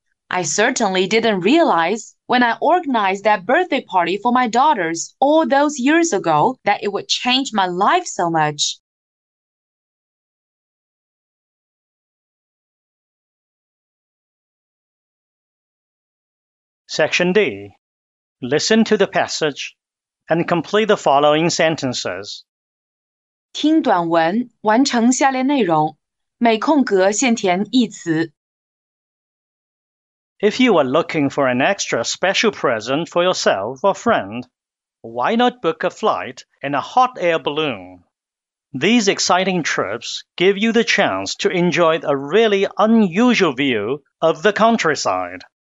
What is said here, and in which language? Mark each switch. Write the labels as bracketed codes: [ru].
[en] I certainly didn't realize when I organized that birthday party for my daughters all those years ago that it would change my life so much. Section D. Listen to the passage and complete the following sentences. [zh] 听短文，完成下列内容，每空格先填一词。 [en] If you are looking for an extra special present for yourself or friend, why not book a flight in a hot air balloon? These exciting trips give you the chance to enjoy a really unusual view of the countryside.